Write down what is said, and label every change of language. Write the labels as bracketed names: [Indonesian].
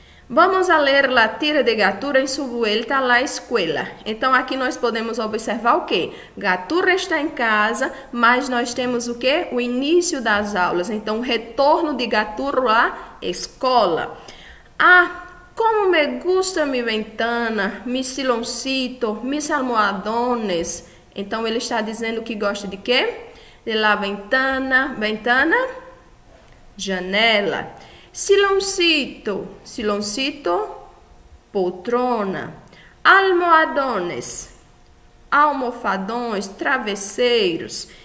[Spanish] Vamos a ler la tira de Gaturro en su vuelta a la escuela. [Portuguese] Então, aqui nós podemos observar o quê? Gaturro está em casa, mas nós temos o quê? O início das aulas. Então, o retorno de Gaturro à escola. [Spanish] Ah, como me gusta mi ventana, mi siloncito, mis almohadones. [Portuguese] Então, ele está dizendo que gosta de quê? [Spanish] De la ventana, ventana, janela. Siloncito, siloncito, poltrona, almohadones, almofadões, travesseiros.